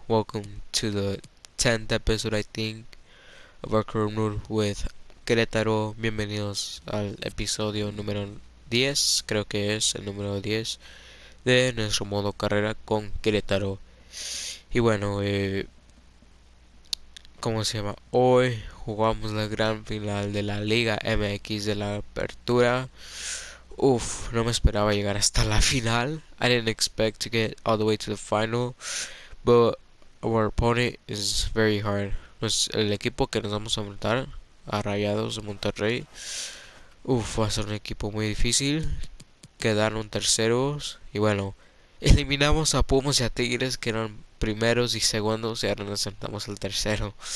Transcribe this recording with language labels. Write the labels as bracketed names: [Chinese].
[English] Welcome to the 10th episode, I think, of our current rule with Querétaro. [Spanish] Bienvenidos al episodio número 10, creo que es el número 10 de nuestro modo carrera con Querétaro. Y bueno, ¿cómo se llama? Hoy jugamos la gran final de la Liga MX de la Apertura. Uf, no me esperaba llegar hasta la final. [English] I didn't expect to get all the way to the final, but our opponent is very hard. [Spanish] Pues el equipo que nos vamos a enfrentar, a Rayados de Monterrey, uf, va a ser un equipo muy difícil. Quedaron terceros y bueno, eliminamos a Pumas y a Tigres que eran primeros y segundos y ahora nos enfrentamos al tercero.